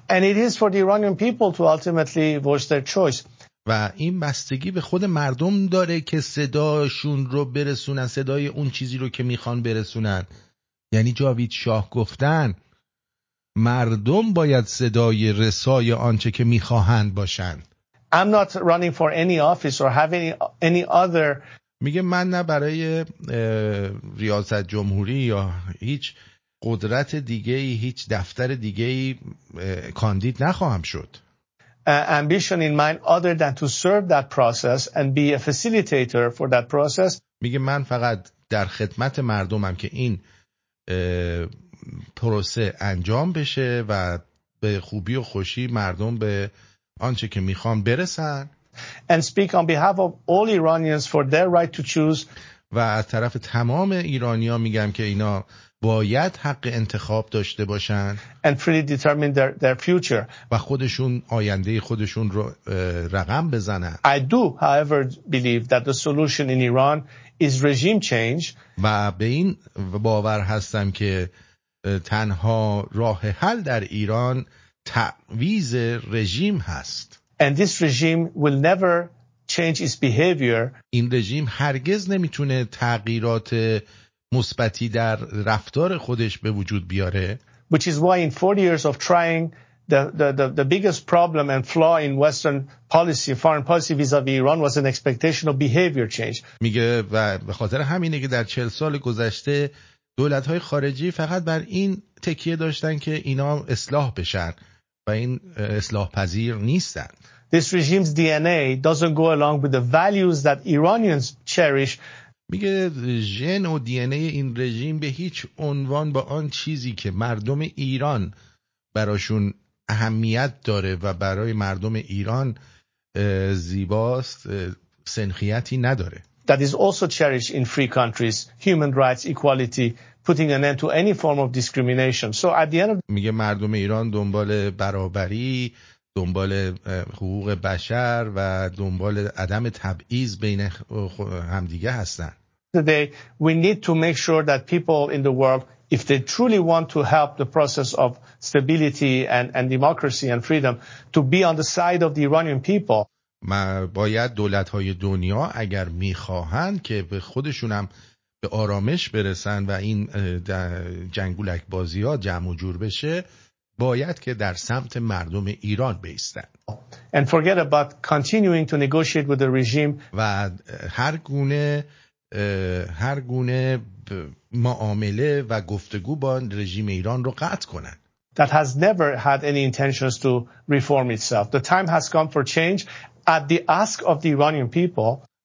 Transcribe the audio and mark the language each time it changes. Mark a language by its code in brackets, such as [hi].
[en] And it is for the Iranian people to ultimately voice their choice. [fa] و این بستگی به خود مردم داره که صداشون رو برسونن، صدای اون چیزی رو که میخوان برسونن. یعنی جاوید شاه گفتن مردم باید صدای رسای آنچه که میخواهند باشند. [en] I'm not running for any office or have any other. [fa] میگه من نه برای ریاست جمهوری یا هیچ قدرت دیگه‌ای هیچ دفتر دیگه‌ای کاندید نخواهم شد. [en] Ambition in mind other than to serve that process and be a facilitator for that process. [fa] میگه من فقط در خدمت مردمم که این پروسه انجام بشه و به خوبی و خوشی مردم به آنچه که میخوان برسن. [en] And speak on behalf of all Iranians for their right to choose. [fa] و از طرف تمام ایرانی ها میگم که اینا باید حق انتخاب داشته باشن. [en] And freely determine their future. [fa] و خودشون آینده خودشون رو رقم بزنن. [en] I do, however, believe that the solution in Iran is regime change. [fa] و به این باور هستم که تنها راه حل در ایران تعویض رژیم هست. [en] And this regime will never change its behavior. [fa] این رژیم هرگز نمیتونه تغییرات مثبتی در رفتار خودش به وجود بیاره. [en] Which is why in 40 years of trying the biggest problem and flaw in Western policy, foreign policy vis-à-vis Iran was an expectation of behavior change. [fa] میگه و به خاطر همینه که در 40 سال گذشته دولت‌های خارجی فقط بر این تکیه داشتن که اینا اصلاح بشن و این اصلاح پذیر نیستن. [en] This regime's DNA doesn't go along with the values that Iranians cherish. [fa] میگه ژن و دی ان ای این رژیم به هیچ عنوان با آن چیزی که مردم ایران براشون اهمیت داره و برای مردم ایران زیباست سنخیتی نداره. [en] That is also cherished in free countries, human rights, equality, putting an end to any form of discrimination. So at the end of [fa] میگه مردم ایران دنبال برابری، دنبال حقوق بشر و دنبال عدم تبعیض بین همدیگه هستن. [en] Today we need to make sure that people in the world, if they truly want to help the process of stability and democracy and freedom, to be on the side of the Iranian people. [fa] ما باید دولت‌های دنیا اگر می‌خواهند که به خودشون هم به آرامش برسن و این جنگولک بازی‌ها جمع و جور بشه، باید که در سمت مردم ایران بایستن. [en] And forget about continuing to negotiate with the regime. [fa] و هر گونه معامله و گفتگو با رژیم ایران رو قطع کنن. [en] That has never had any intentions to reform itself. The time has come for change at the ask of the Iranian people.